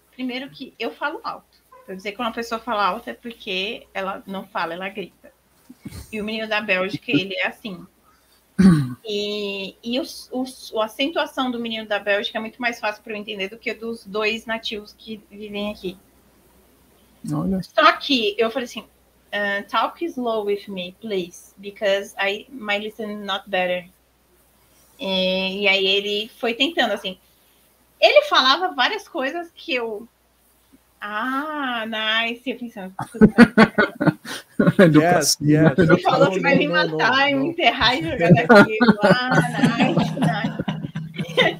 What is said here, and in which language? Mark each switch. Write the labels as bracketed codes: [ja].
[pt] Primeiro que eu falo alto. Pra dizer que uma pessoa fala alto é porque ela não fala, ela grita. E o menino da Bélgica, ele é assim. E a acentuação do menino da Bélgica é muito mais fácil para eu entender do que dos dois nativos que vivem aqui. Olha. Só que eu falei assim, [en] talk slow with me, please, because I might listen not better. [pt] E aí ele foi tentando, assim. Ele falava várias coisas que eu... Ah, nice. Eu pensando... Ele falou que vai me matar, não. Me enterrar e jogar daquilo. [en] Ah, nice, nice.